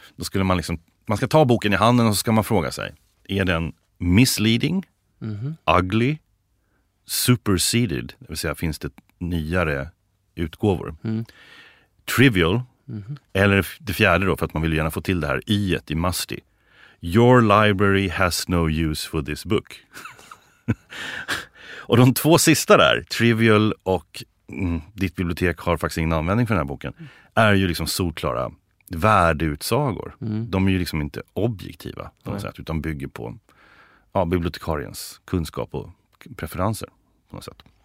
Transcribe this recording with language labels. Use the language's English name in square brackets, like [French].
[Swedish] Då skulle man liksom, man ska ta boken i handen och så ska man fråga sig, är den [English] misleading, ugly, superseded, [Swedish] det vill säga finns det nyare utgåvor, trivial, eller det fjärde då, för att man vill gärna få till det här i-et i musty. [English] Your library has no use for this book. [Swedish] Och de två sista där, trivial och ditt bibliotek har faktiskt ingen användning för den här boken, är ju liksom solklara värdeutsagor. Mm. De är ju liksom inte objektiva på något sätt, utan bygger på bibliotekariens kunskap och preferenser på något sätt.